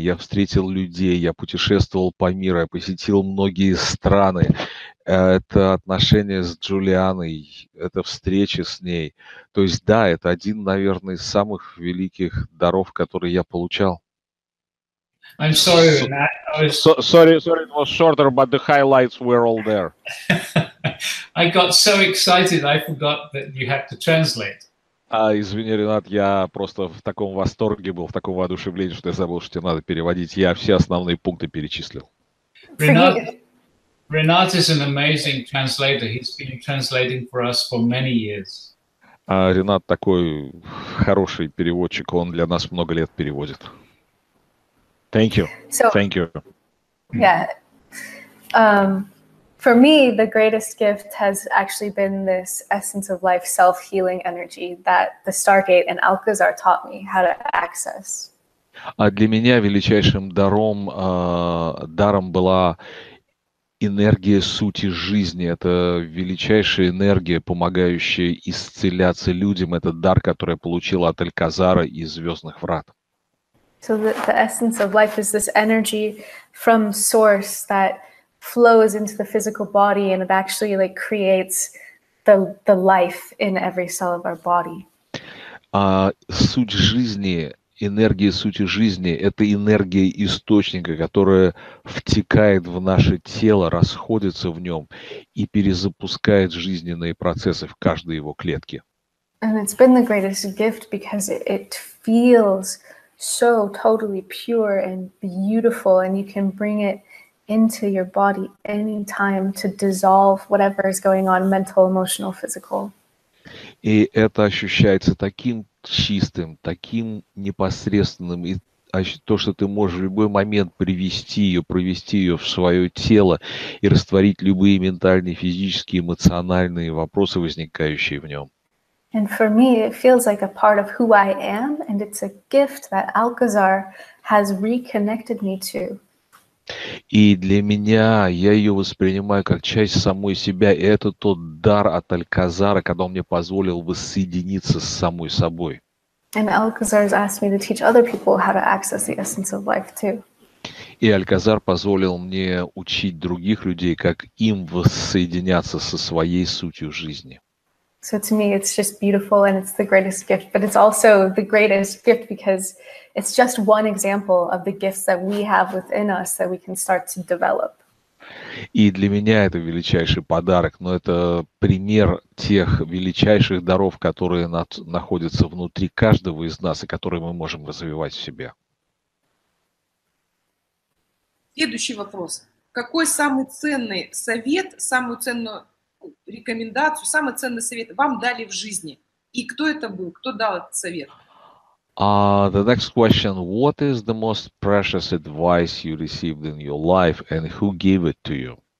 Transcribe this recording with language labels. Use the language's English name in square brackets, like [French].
[Russian] Я встретил людей, я путешествовал по миру, я посетил многие страны. Это отношения с Джулианой, это встречи с ней. То есть, да, это один, наверное, из самых великих даров, которые я получал. [English] I'm sorry, Matt. Sorry, it was shorter, but the highlights were all there. I got so excited, I forgot that you had to translate. [Russian] Извини, Ренат, я просто в таком восторге был, в таком воодушевлении, что я забыл, что тебе надо переводить. Я все основные пункты перечислил. [English] Ренат is an amazing translator. He's been translating for us for many years. [Russian] Ренат такой хороший переводчик, он для нас много лет переводит. [English] Thank you. Yeah. For me, the greatest gift has actually been this essence of life self-healing energy that the Stargate and Alcazar taught me how to access. [Russian] А для меня величайшим даром была энергия сути жизни. Это величайшая энергия, помогающая исцеляться людям. Это дар, который я получил от Альказара и Звездных Врат. [English] So the essence of life is this energy from source that flows into the physical body, and it actually like creates the life in every cell of our body. [Russian] Суть жизни, энергия сути жизни — это энергия источника, которая втекает в наше тело, расходится в нем и перезапускает жизненные процессы в каждой его клетке. [English] And it's been the greatest gift because it feels so totally pure and beautiful, and you can bring it into your body anytime to dissolve whatever is going on, mental, emotional, physical. [Russian] И это ощущается таким чистым, таким непосредственным, и то, что ты можешь в любой момент провести ее в свое тело и растворить любые ментальные, физические, эмоциональные вопросы, возникающие в нем. [English] And for me, it feels like a part of who I am, and it's a gift that Alcazar has reconnected me to. [Russian] И для меня, я ее воспринимаю как часть самой себя. И это тот дар от Альказара, когда он мне позволил воссоединиться с самой собой. [English] And Alcazar has asked me to teach other people how to access the essence of life too. [Russian] И Альказар позволил мне учить других людей, как им воссоединяться со своей сутью жизни. [English] So to me, it's just beautiful, and it's the greatest gift. But it's also the greatest gift because it's just one example of the gifts that we have within us that we can start to develop. [Russian] И для меня это величайший подарок, но это пример тех величайших даров, которые находятся внутри каждого из нас и которые мы можем развивать в себе. Следующий вопрос. Какой самый ценный совет, самую ценную рекомендацию, самый ценный совет вам дали в жизни? И кто это был? Кто дал этот совет? [English] The next question. What is the most precious advice you received in your life and who gave it to you?